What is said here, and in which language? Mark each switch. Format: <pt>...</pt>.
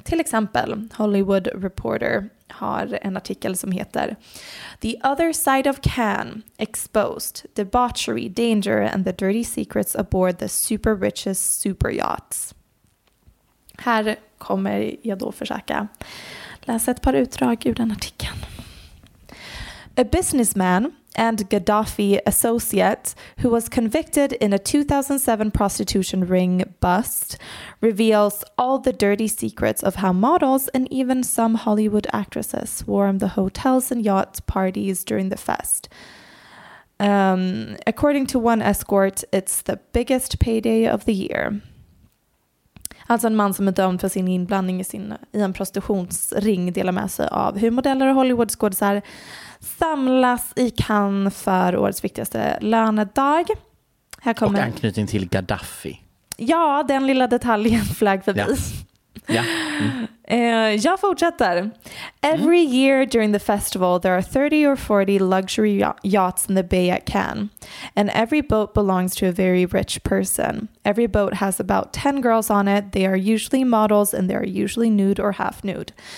<sv>Till exempel Hollywood Reporter har en artikel som heter The Other Side of Cannes, Exposed, Debauchery, Danger and the Dirty Secrets Aboard the Super Richest Super Yachts. Här kommer jag då försöka läsa ett par utdrag ur den artikeln.</sv> <en>A businessman and Gaddafi associate who was convicted in a 2007 prostitution ring bust reveals all the dirty secrets of how models and even some Hollywood actresses swarm the hotels and yachts parties during the fest. According to one escort, it's the biggest payday of the year.</en> <sv>Alltså en man som är dömd för sin inblandning i en prostitutionsring delar med sig av hur modeller och Hollywoodskådisar samlas i Cannes för årets viktigaste lönedag. Här kommer... Och anknytning till Gaddafi. Ja, den lilla detaljen flagg förbi. Ja. Ja. Mm. Jag fortsätter.</sv> <en>Every year during the festival there are 30 or 40 luxury yachts in the bay at Cannes. And every boat belongs to a very rich person. Every boat has about 10 girls on it. They are usually models and they are usually nude or half nude.</en>